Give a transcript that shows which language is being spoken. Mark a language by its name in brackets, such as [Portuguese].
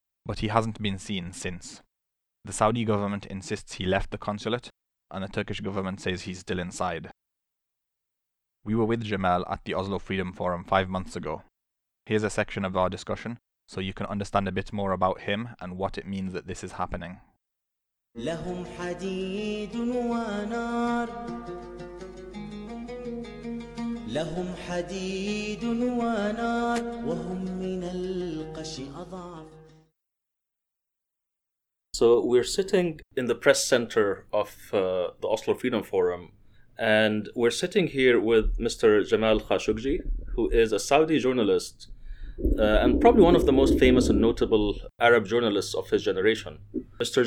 [English] But he hasn't been seen since. The Saudi government insists he left the consulate, and the Turkish government says he's still inside. We were with Jamal at the Oslo Freedom Forum 5 months ago. Here's a section of our discussion, so you can understand a bit more about him and what it means that this is happening. [Arabic] لهم حديد ونار لهم حديد ونار وهم من القش أضعف." [English] So we're sitting in the press center of the Oslo Freedom Forum, and we're sitting here with Mr. Jamal Khashoggi, who is a Saudi journalist and probably one of the most famous and notable Arab journalists of his generation. Mr.